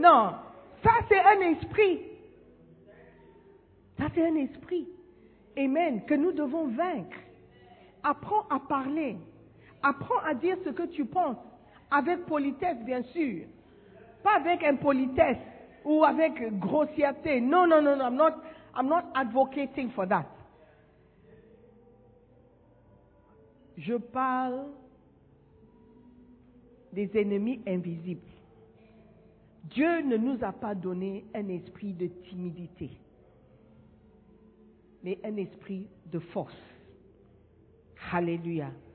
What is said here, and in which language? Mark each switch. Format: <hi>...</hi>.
<fr>Non, ça c'est un esprit. Ça c'est un esprit. Amen, que nous devons vaincre. Apprends à parler. Apprends à dire ce que tu penses. Avec politesse, bien sûr. Pas avec impolitesse ou avec grossièreté.</fr> <en>Non, I'm not advocating for that.</en> <fr>Je parle des ennemis invisibles. Dieu ne nous a pas donné un esprit de timidité, mais un esprit de force. Alléluia.</fr>